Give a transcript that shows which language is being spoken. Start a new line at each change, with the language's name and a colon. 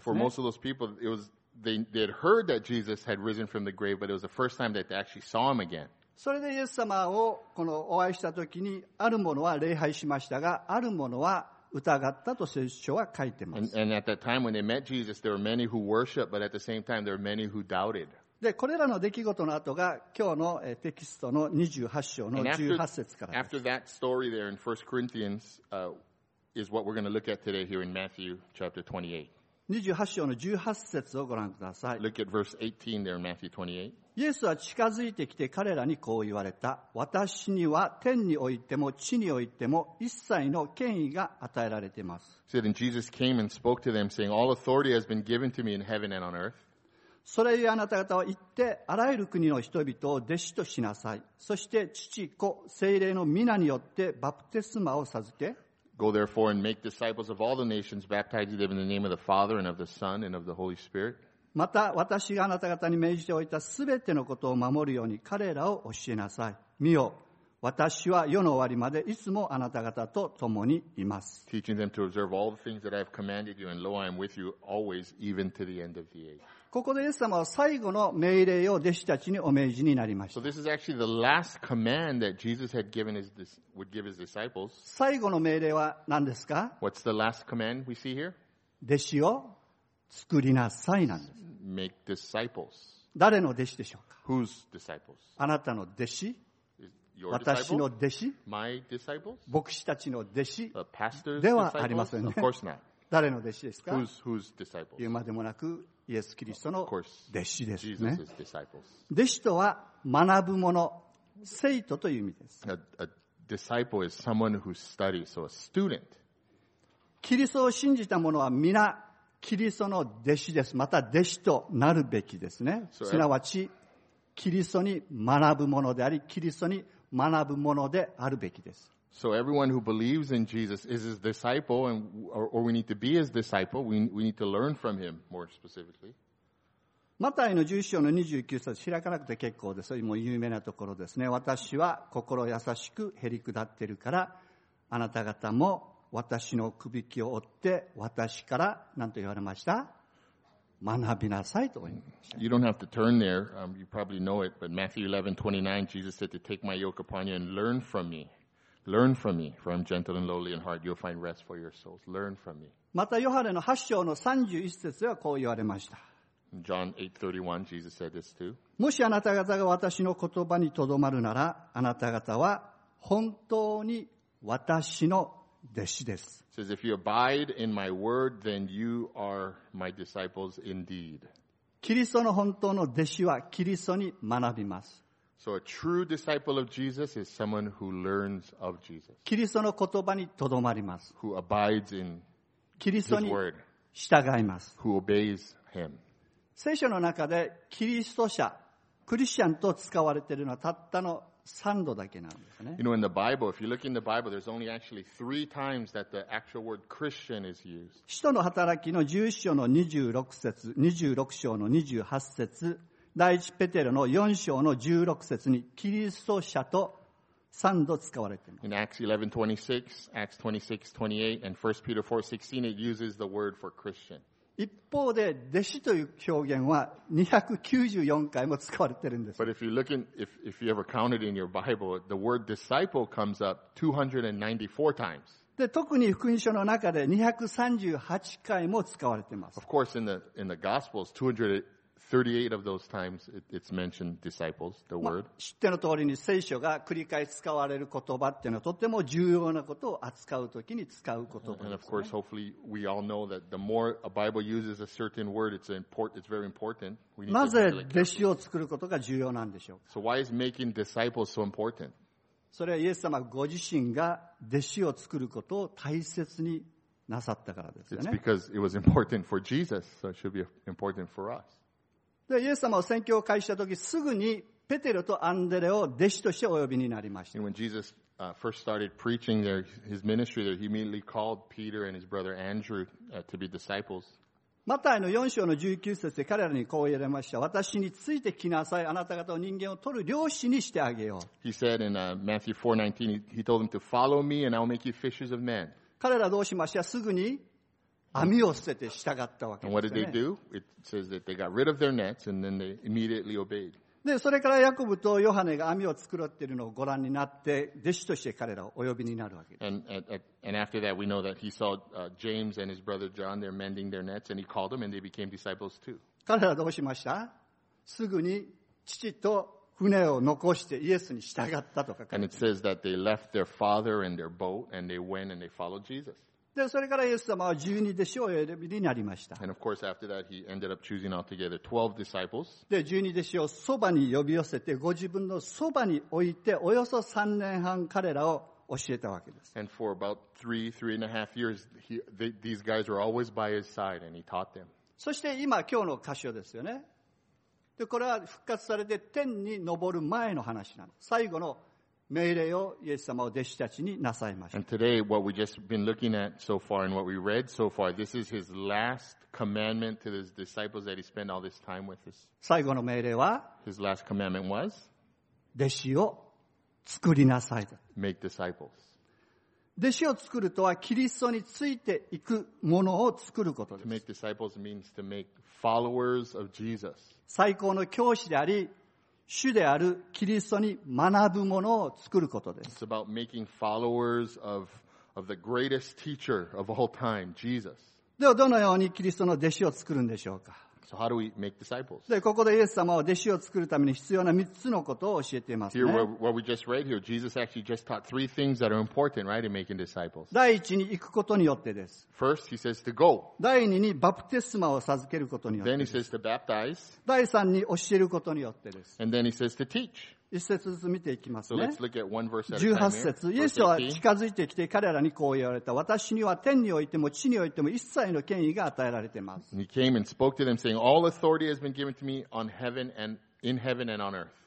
English: And for most of those people, it was, they had heard that Jesus had risen from the grave, but it was the first time that they actually saw him again.
Japanese: それでイエス様をこのお会いしたときにある者は礼拝しましたがある者は疑ったと聖書は書いてます。
English: And at that time when they met Jesus, there were many who worshiped, but at the same time there were many who doubted.
Japanese: で、これらの出来事の後が今日のテキストの28章の18節からです。
English: After that story there in 1 Corinthians, is what we're going to look at today here in Matthew chapter 28.
Japanese: 28章の18節をご覧ください。
English: Look at verse 18 there in Matthew 28.
Japanese: イエスは近づいてきて彼らにこう言われた。私には天においても地においても一切の権威が与えられています。
English: So then Jesus came and spoke to them, saying, All authority has been given to me in heaven and on earth.
Japanese: それゆえあなた方は行って、あらゆる国の人々を弟子としなさい。そして父、子、聖霊の御名によってバプテスマを授け。
English: Go therefore and make disciples of all the nations, baptizing them in the name of the Father and of the Son and of the Holy Spirit.
Japanese: また私があなた方に命じておいたすべてのことを守るように彼らを教えなさい。見よ、私は世の終わりまでいつもあなた方と共にいます。
English: Teaching them to observe all the things that I have commanded you, and lo, I am with you always, even to the end of the age.
Japanese: ここでイエス様は最後の命令を弟子たちにお命じになりました。
English: So this is actually the last command that Jesus had given would give his disciples.
Japanese: 最後の命令は何ですか？
English: What's the last command we see here?
Japanese: 弟子を作りなさいなんです。
English: Make disciples.
Japanese: 誰の弟子でしょうか。
English: Whose disciples?
Japanese: あなたの弟子。
English: Your disciples?
Japanese: 私の弟子。
English: My disciples?
Japanese: 牧師たちの弟子。
English: A pastor's
Japanese: ではありませんね。
English: Of course not.
Japanese: 誰の弟子ですか。
English: Whose disciples?
Japanese: 言うまでもなくイエス・キリストの弟子ですね。
English: Jesus's disciples.
Japanese: 弟子とは学ぶ者、生徒という意味です。
English: A disciple is someone who studies, so a student.
Japanese: キリストを信じた者は皆キリストの弟子です。また弟子となるべきですね。すなわち、キリストに学ぶものであり、キリストに学ぶものであるべきです。
English: So everyone who believes in Jesus is his disciple, and, or we need to be his disciple. We need to learn from him, more specifically.
Japanese: マタイの11章の29節、開かなくて結構です。もう有名なところですね。私は心優しく減り下っているから、あなた方も私の首輝を追って私から何と言われました学びなさいと言いました。
English: You don't have to turn there. You probably know it, but Matthew 11:29, Jesus said to take my yoke upon you and learn from me. Learn from me, for I'm gentle and lowly in heart. You'll find rest for your souls. Learn from me.
Japanese: またヨハネの8章の31節ではこう言われました。
English: John 8:31, Jesus said this too.
Japanese: もしあなた方が私の言葉にとどまるなら、あなた方は本当に私の弟子です。
English: Says if you abide in my word, then you are my disciples indeed.
Japanese: キリストの本当の弟子はキリストに学びます。
English: So a true disciple of Jesus is someone who learns of Jesus.
Japanese: キリストの言葉にとどまります。
English: Who abides in his word.
Japanese: キリストに従います。
English: Who obeys him.
Japanese: 聖書の中でキリスト者、クリスチャンと使われているのはたったの3度だけなんですね。
English: You know, in the Bible, if you look in the Bible, there's only actually three times that the actual word Christian is used.
Japanese: 使徒の働きの11章の26節、26章の28節、第一ペテロの4章の16節にキリスト者と3度使われています。
English: In Acts 11:26, Acts 26:28, and 1 Peter 4:16, it uses the word for Christian.
Japanese: 一方で弟子という表現は294回も使われているんです。
English: But if you look in, if you ever counted in your Bible, the word disciple comes up 294 times.
Japanese: で、特に福音書の中で238回も使われています。
English: Of course, in the Gospels, 38 of those times it's mentioned disciples, the word.
Japanese: 知っての通りに聖書が繰り返し使われる言葉っていうのはとても重要なことを扱うときに使う言葉です、ね。
English: And of course, hopefully, we all know that the more a Bible uses a certain word, it's very important.
Japanese: なぜ弟子を作ることが重要なんでしょうか。
English: So why is making disciples so important?
Japanese: それはイエス様ご自身が弟子を作ることを大切になさったからですよね。
English: It's because it was important for Jesus, so it should be important for us.
Japanese: でイエス様を宣教を開始したときすぐにペテロとアンデレを弟子としてお呼びになりました。
English: When Jesus first started preaching there, his ministry there, he immediately called Peter and his brother Andrew to be disciples.
Japanese: マタイの4章の19節で彼らにこう言われました。私についてきなさい。あなた方を人間を取る漁師にしてあげよう。
English: He said in Matthew 4:19, he told them to follow me and I'll make you fishers of men.
Japanese: 彼らどうしました？すぐに網を捨てて従ったわけですね。
English: And what did they do? It says that they got rid of their nets and then they immediately obeyed.
Japanese: で、それからヤコブとヨハネが網を繕っているのをご覧になって、弟子として彼らをお呼びになるわけです。
English: And after that, we know that he saw James and his brother John, they're mending their nets, and he called them and they became disciples too.
Japanese: 彼らどうしました？すぐに父と船を残してイエスに従ったとか。
English: And it says that they left their father and their boat and they went and they followed Jesus.
Japanese: でそれからイエス様は十二弟子を選びになりました。
English: And of course, after that, he ended up choosing altogether 12 disciples.
Japanese: で十二弟子をそばに呼び寄せて、ご自分のそばに置いて、およそ三年半彼らを教えたわけです。
English: And for about three and a half years, these guys were always by his side, and he taught them.
Japanese: そして今日の箇所ですよね。でこれは復活されて天に昇る前の話なの。最後の命令をイエス様を弟子たちになさいました。
English: And today, what we've just been looking at so far and what we read so far, this is his last commandment to his disciples that he spent all this time with us.
Japanese: 最後の命令は?
English: His last commandment was?
Japanese: 弟子を作りなさい。
English: Make disciples.
Japanese: 弟子を作るとはキリストについていくものを作ることです。
English: To make disciples means to make followers of Jesus.
Japanese: 最高の教師であり、主であるキリストに学ぶものを作ることです。
English: It's about making followers of the greatest teacher of all time, Jesus.
Japanese: ではどのようにキリストの弟子を作るんでしょうか。
English: So how do we make disciples?
Japanese: でここでイエス様は弟子を作るために必要な3つのことを教えていますね。
English: Here, what we just read here, Jesus actually just taught three things that are important, right, in making disciples.
Japanese: 第一に行くことによってです。
English: First, he says to go.
Japanese: 第二にバプテスマを授けることによってです。
English: Then he says to baptize.
Japanese: 第三に教えることによってです。
English: And then he says to teach.
Japanese: 一節ずつ見ていきますね。 18 節、イエスは近づいてきて彼らにこう言われた。私には天においても地においても一切の権威が与えられています。
English: He came and spoke to them saying, All authority has been given to me on heaven and in heaven and on earth.